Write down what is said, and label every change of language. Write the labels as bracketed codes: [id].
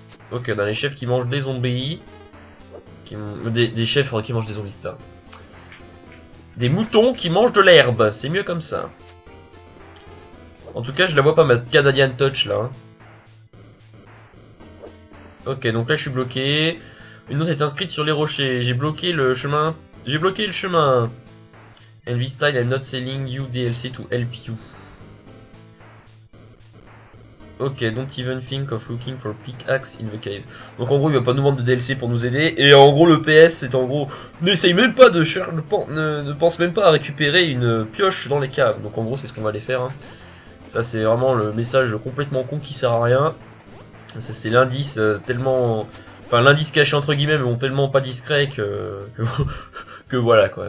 [fr] Ok, on a les chefs qui mangent des zombies. Des chefs qui mangent des zombies, putain. Des moutons qui mangent de l'herbe, c'est mieux comme ça. En tout cas, je la vois pas ma Canadian Touch là. Ok, donc là je suis bloqué. Une note est inscrite sur les rochers. J'ai bloqué le chemin. J'ai bloqué le chemin. [en] Envy Style, I'm not selling you DLC to help you. Ok, don't even think of looking for pickaxe in the cave. [fr] Donc en gros, il va pas nous vendre de DLC pour nous aider. Et en gros, le PS, c'est en gros. N'essaye même pas de chercher. Ne pense même pas à récupérer une pioche dans les caves. Donc en gros, c'est ce qu'on va aller faire. Hein. Ça, c'est vraiment le message complètement con qui sert à rien. Ça, c'est l'indice tellement. Enfin, l'indice caché entre guillemets, mais bon, tellement pas discret que voilà quoi.